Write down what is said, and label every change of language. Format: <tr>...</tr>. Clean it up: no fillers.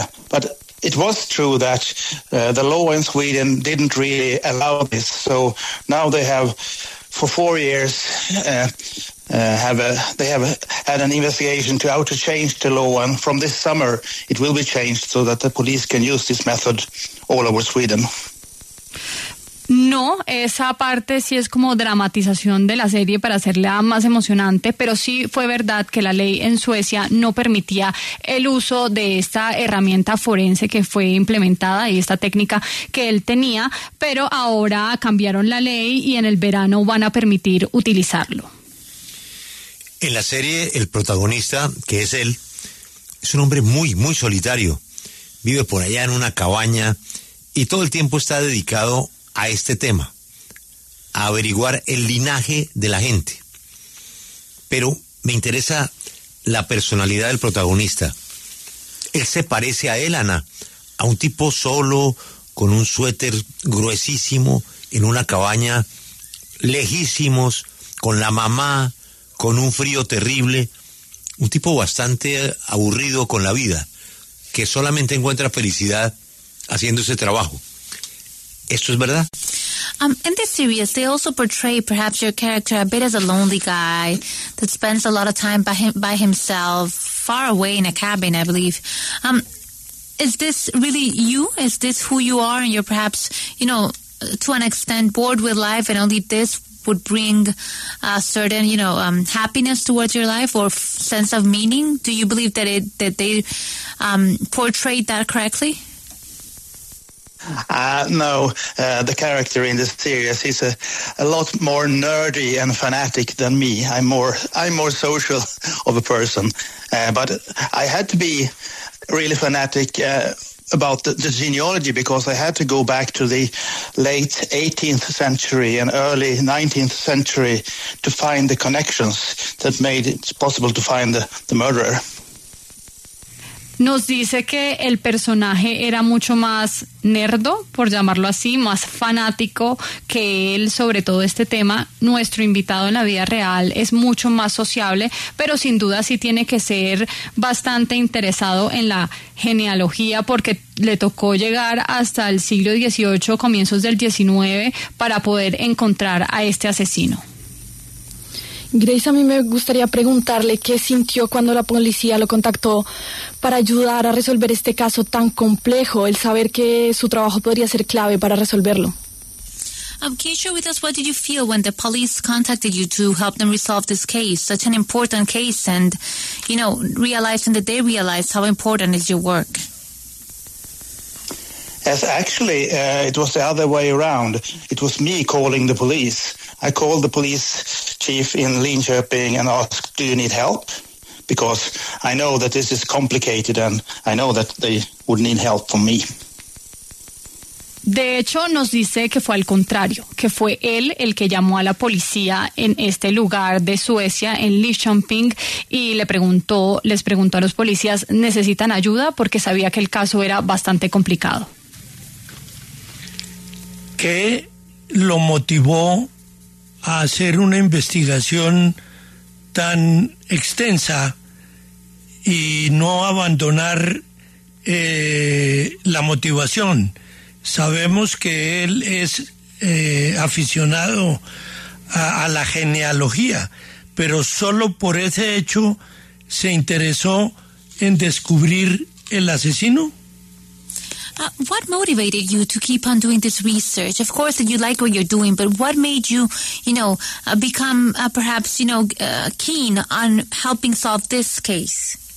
<en>But it was true that the law in Sweden didn't really allow this. So now they have, for 4 years, they have had an investigation to how to change the law. And from this summer, it will be changed so that the police can use this method all over Sweden.</en> <es>No, esa parte sí es como dramatización de la serie para hacerla más emocionante, pero sí fue verdad que la ley en Suecia no permitía el uso de esta herramienta forense que fue implementada y esta técnica que él tenía, pero ahora cambiaron la ley y en el verano van a permitir utilizarlo. En la serie, el protagonista, que es él, es un hombre muy, muy solitario. Vive por allá en una cabaña y todo el tiempo está dedicado a este tema, a averiguar el linaje de la gente. Pero me interesa la personalidad del protagonista. Él se parece a él, Ana, a un tipo solo, con un suéter gruesísimo, en una cabaña, lejísimos, con la mamá, con un frío terrible, un tipo bastante aburrido con la vida, que solamente encuentra felicidad haciendo ese trabajo. ¿Esto es verdad?</es> <en>In this series, they also portray perhaps your character a bit as a lonely guy that spends a lot of time by himself, far away in a cabin, I believe. Is this really you? Is this who you are? And you're perhaps, you know, to an extent bored with life and only this would bring a certain, you know, happiness towards your life or sense of meaning? Do you believe that they portrayed that correctly? No, the character in this series is a lot more nerdy and fanatic than me. I'm more social of a person, but I had to be really fanatic about the genealogy because I had to go back to the late 18th century and early 19th century to find the connections that made it possible to find the murderer.</en> <es>Nos dice que el personaje era mucho más nerdo, por llamarlo así, más fanático que él sobre todo este tema. Nuestro invitado en la vida real es mucho más sociable, pero sin duda sí tiene que ser bastante interesado en la genealogía porque le tocó llegar hasta el siglo XVIII, comienzos del XIX, para poder encontrar a este asesino. Grace, a mí me gustaría preguntarle qué sintió cuando la policía lo contactó para ayudar a resolver este caso tan complejo, el saber que su trabajo podría ser clave para resolverlo.</es> <en>Can you share with us what did you feel when the police contacted you to help them resolve this case, such an important case, and, you know, realizing that they realized how important is your work? Yes, actually, it was the other way around. It was me calling the police. I called the police chief in Linköping and asked, do you need help? Because I know that this is complicated and I know that they would need help from me.</en> <es>De hecho, nos dice que fue al contrario, que fue él el que llamó a la policía en este lugar de Suecia, en Linköping, y les preguntó a los policías, ¿necesitan ayuda? Porque sabía que el caso era bastante complicado. ¿Qué lo motivó a hacer una investigación tan extensa y no abandonar la motivación? Sabemos que él es aficionado a la genealogía, pero solo por ese hecho se interesó en descubrir el asesino.</es> <en>What motivated you to keep on doing this research? Of course, you like what you're doing, but what made you, you know, become perhaps, you know, keen on helping solve this case?</en>